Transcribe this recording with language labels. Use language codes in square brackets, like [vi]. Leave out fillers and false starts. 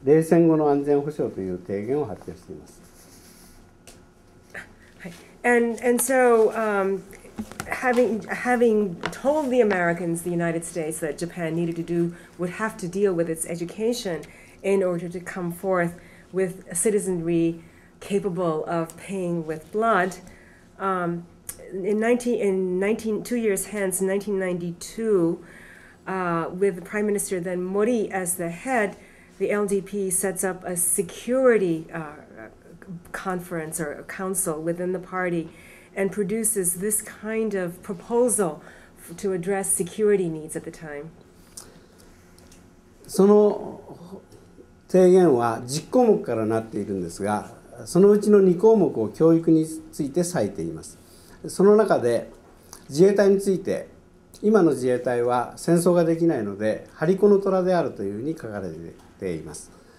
[ja] 冷戦後の安全保障という提言を発表しています。 [en] And so having told the Americans, the United States, that Japan needed to do, would have to deal with its education in order to come forth with a citizenry capable of paying with blood, In 1992, with Prime Minister then Mori as the head, the LDP sets up a security conference or a council within the party and produces this kind of proposal to address security needs at the time. [ja] その提言は10項目からなっているんですが、そのうちの2項目を教育について割いています。その中で自衛隊について、今の自衛隊は戦争ができないので張り子の虎であるというふうに書かれています。